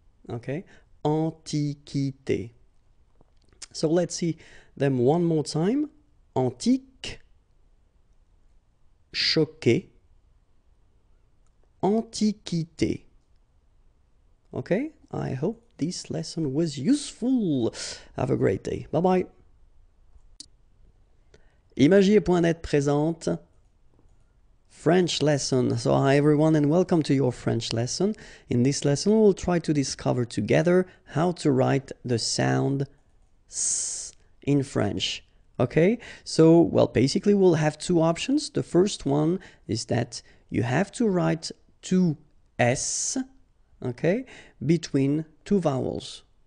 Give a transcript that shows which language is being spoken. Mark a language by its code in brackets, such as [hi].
[en] Okay, antiquité. So let's see them one more time. Antique, choqué, antiquité. Okay, I hope this lesson was useful. Have a great day. Bye bye. [fr] Imagier.net présente [en] French lesson. So hi everyone and welcome to your French lesson. In this lesson we'll try to discover together how to write the sound s in French. Okay, so well, basically we'll have two options. The first one is that you have to write two s, okay, between two vowels.